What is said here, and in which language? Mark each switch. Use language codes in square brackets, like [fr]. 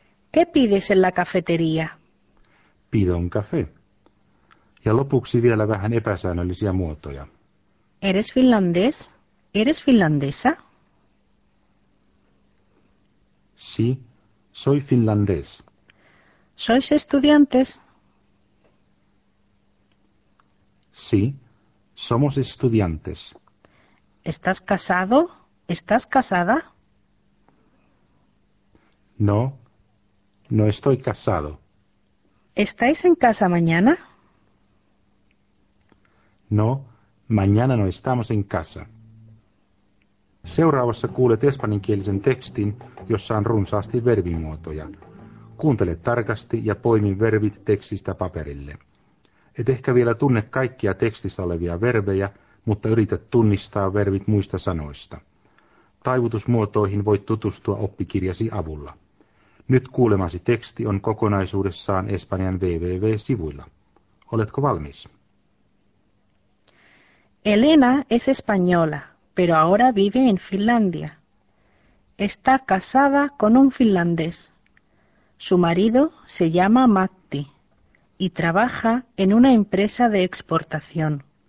[es] ¿Qué pides en la cafetería? Pido un café. [fi] Ja lopuksi vielä vähän epäsäännöllisiä muotoja. [es] ¿Eres finlandés? ¿Eres finlandesa? Sí, soy finlandés. ¿Sois estudiantes? Sí, somos estudiantes. ¿Estás casado? ¿Estás casada? No, no estoy casado. ¿Estáis en casa mañana? No, mañana no estamos en casa. [fi] Seuraavassa kuulet espanjankielisen tekstin, jossa on runsaasti verbimuotoja. Kuuntele tarkasti ja poimi verbit tekstistä paperille. Et ehkä vielä tunne kaikkia tekstissä olevia verbejä, mutta yritä tunnistaa verbit muista sanoista. Taivutusmuotoihin voit tutustua oppikirjasi avulla. Nyt kuulemasi teksti on kokonaisuudessaan Espanjan www-sivuilla. Oletko valmis? [es] Elena es española, pero ahora vive en Finlandia. Está casada con un finlandés. Su marido se llama Matti y trabaja en una empresa de exportación.